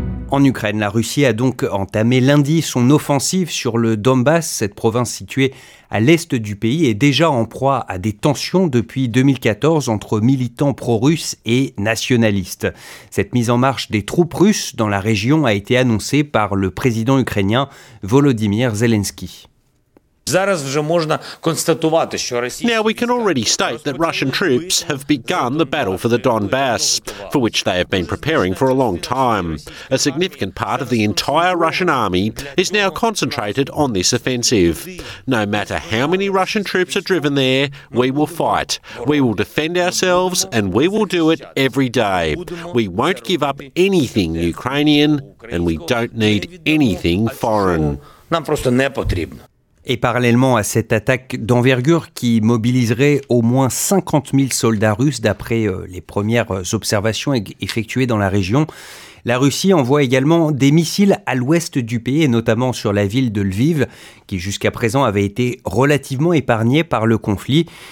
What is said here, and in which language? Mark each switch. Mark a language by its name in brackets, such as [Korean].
[French] En Ukraine, la Russie a donc entamé lundi son offensive sur le Donbass, cette province située à l'est du pays et déjà en proie à des tensions depuis 2014 entre militants pro-russes et nationalistes. Cette mise en marche des troupes russes dans la région a été annoncée par le président ukrainien Volodymyr Zelensky. [English] Now we can already state that Russian troops have begun the battle for the Donbass, for which they have been preparing for a long time. A significant part of the entire Russian army is now concentrated on this offensive. No matter how many Russian troops are driven there, we will fight. We will defend ourselves and we will do it every day. We won't give up anything Ukrainian and we don't need anything foreign. [Ukrainian] Нам просто не потрібно. [French] Et parallèlement à cette attaque d'envergure qui mobiliserait au moins 50 000 soldats russes d'après les premières observations effectuées dans la région, la Russie envoie également des missiles à l'ouest du pays et notamment sur la ville de Lviv qui jusqu'à présent avait été relativement épargnée par le conflit.